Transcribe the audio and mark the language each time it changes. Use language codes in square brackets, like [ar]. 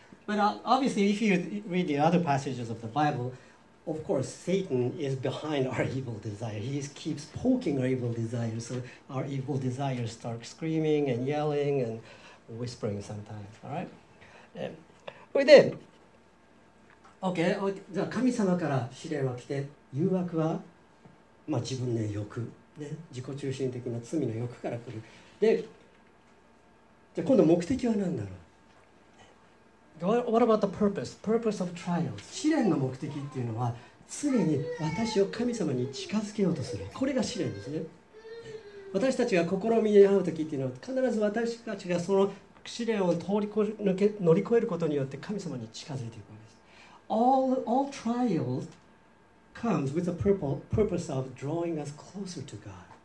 [en] But obviously if you read the other passages of the Bible, of course Satan is behind our evil desire. He keeps poking our evil desire. So our evil desire starts screaming and yelling and whispering sometimes. All right? [ja] それで [en] Okay, okay. [ja] じゃあ神様から試練は来て、誘惑は、まあ、自分の欲、ね、自己中心的な罪の欲から来る。で、じゃあ今度目的は何だろう。 [en] What about the purpose? Purpose of trials. [ja] 試練の目的っていうのは常に私を神様に近づけようとする。これが試練ですね。私たちが試みに遭う時っていうのは必ず私たちがその試練を乗り越えることによって神様に近づいていくわけです。 [en] All trials comes with the purpose of drawing us closer to God.